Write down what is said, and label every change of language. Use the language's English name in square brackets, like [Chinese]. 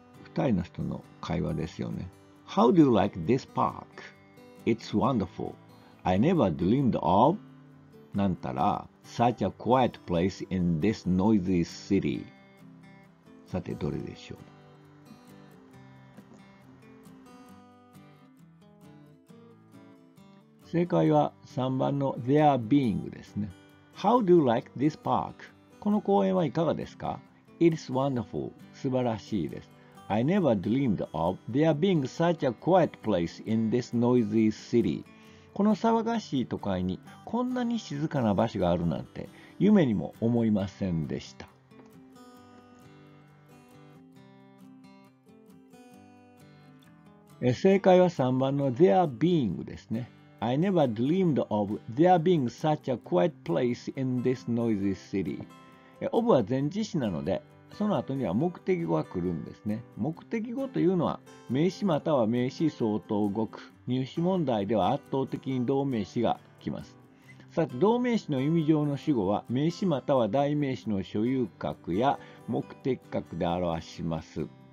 [Japanese] 二人の人の会話ですよね。 [English] How do you like this park? It's wonderful. I never dreamed of... [Japanese] なんたら、 [English] such a quiet place in this noisy city. [Japanese] さて、どれでしょう。正解は3番の There being ですね。 [English] How do you like this park? [Japanese] この公園はいかがですか? [English] It's wonderful. [Japanese] 素晴らしいです。 [English] I never dreamed of there being such a quiet place in this noisy city. [Japanese] この騒がしい都会にこんなに静かな場所があるなんて夢にも思いませんでした。正解は3番の There being ですね。 [English] I never dreamed of there being such a quiet place in this noisy city. [Japanese] Of は前置詞なので、その後には目的語が来るんですね。目的語というのは、名詞または名詞相当語句。入試問題では圧倒的に同名詞が来ます。さて、同名詞の意味上の主語は、名詞または代名詞の所有格や目的格で表します。